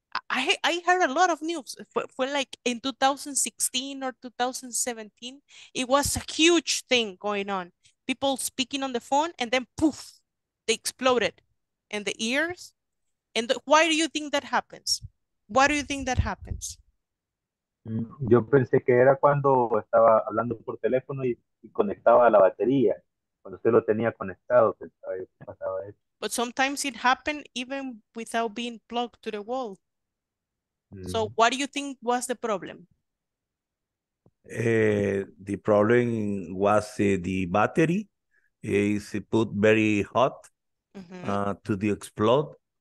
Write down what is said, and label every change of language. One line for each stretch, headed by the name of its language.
English: I heard a lot of news for like in 2016 or 2017. It was a huge thing going on. People speaking on the phone and then poof, they exploded in the ears. And why do you think that happens? Why do you think that happens?
Spanish: Yo pensé que era cuando estaba hablando por teléfono y conectaba a la batería, cuando usted lo tenía conectado, pensaba que pasaba eso.
English: But sometimes it happened even without being plugged to the wall. So what do you think was the problem? The problem was the battery is put very hot to the explode.